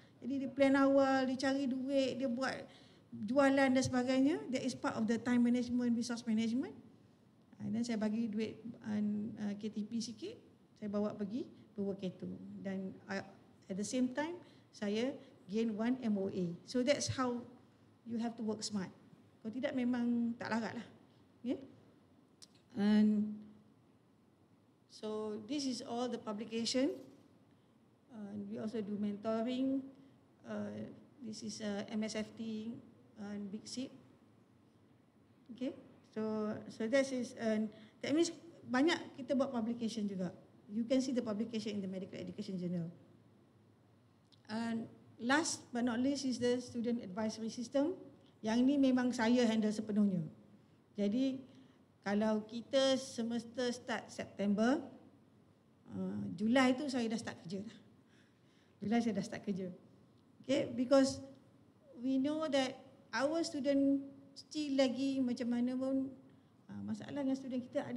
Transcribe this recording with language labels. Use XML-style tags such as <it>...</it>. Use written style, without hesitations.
<ms>Jadi dia plan awal, dia cari duit, dia buat jualan dan sebagainya.</ms> <en>That is part of the time management, resource management. And then</en> <ms>saya bagi duit KTP sikit, saya bawa pergi Purwokerto.</ms> <en>Dan at the same time, saya gain one MOA. So that's how you have to work smart.</en> <ms>Kalau tidak memang tak larat lah.</ms> <en>Yeah? And so this is all the publication. We also do mentoring. This is MSFT and Big Sip. Okay, so this is, that means</en> <ms>banyak kita buat publication juga.</ms> <en>You can see the publication in the Medical Education Journal. And last but not least is the Student Advisory System.</en> <ms>Yang ni memang saya handle sepenuhnya. Jadi kalau kita semester start September, Julai tu saya dah start kerja dah. Julai saya dah start kerja.</ms> <en>Okay, because we know that our student still</en> <ms>lagi macam mana pun masalah dengan student kita.</ms>